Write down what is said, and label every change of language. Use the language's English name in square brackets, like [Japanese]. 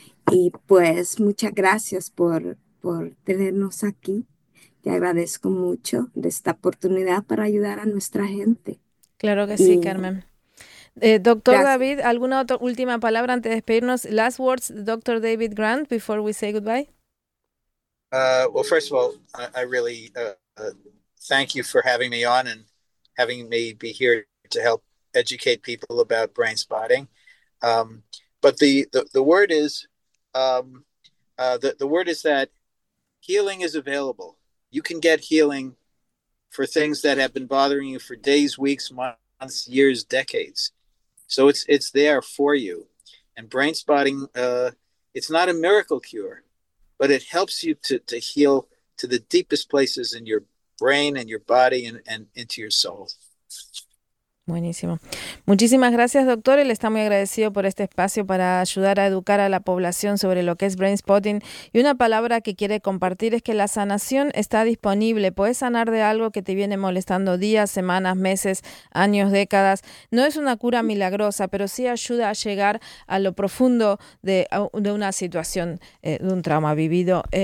[Spanish] Y pues muchas gracias por tenernos aquí. Te agradezco mucho de esta oportunidad para ayudar a nuestra gente. Claro que sí, Y Carmen. Doctor gracias. David, ¿alguna otra última palabra antes de despedirnos? [English] Last words, Dr. David Grant, before we say goodbye. Well, first of all, I really thank you for having me on and having me be here to help educate people about brain spotting. But the word is the word is that healing is available. You can get healing for things that have been bothering you for days, weeks, months, years, decades. So it's there for you. And brain spotting, it's not a miracle cure, but it helps you to heal to the deepest places in your brain and your body and into your soul. [Spanish] Buenísimo. Muchísimas gracias, doctor. Él está muy agradecido por este espacio para ayudar a educar a la población sobre lo que es brain spotting. Y una palabra que quiere compartir es que la sanación está disponible. Puedes sanar de algo que te viene molestando días, semanas, meses, años, décadas. No es una cura milagrosa, pero sí ayuda a llegar a lo profundo de una situación, de un trauma vivido.